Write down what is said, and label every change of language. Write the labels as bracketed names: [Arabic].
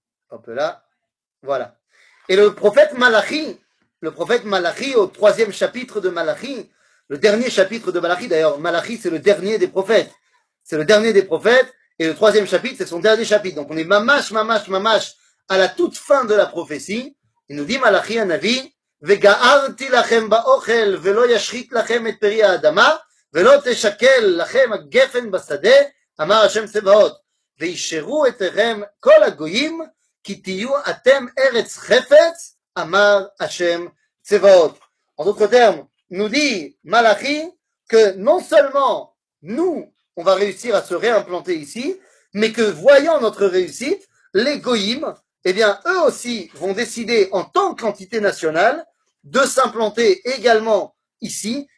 [French] Hop là, voilà. Et le prophète Malachi, au troisième chapitre de Malachi, le dernier chapitre de Malachi, d'ailleurs, Malachi, c'est le dernier des prophètes. C'est le dernier des prophètes, et le troisième chapitre, c'est son dernier chapitre. Donc, on est mamache, à la toute fin de la prophétie. Il nous dit Malachi, un avis. [Hebrew] וגערתי לכם באוכל ולא ישחית לכם את פרי האדמה ולא תשקל לכם הגפן בשדה אמר השם צבאות וישרו אתכם כל הגויים כי תהיו אתם ארץ חפץ אמר השם צבאות. [French] En d'autres termes, nous dit Malachi que non seulement nous on va réussir à se réimplanter ici, mais que voyant notre réussite, les goyim, eh bien eux aussi vont décider en tant qu'entité nationale de s'implanter également ici.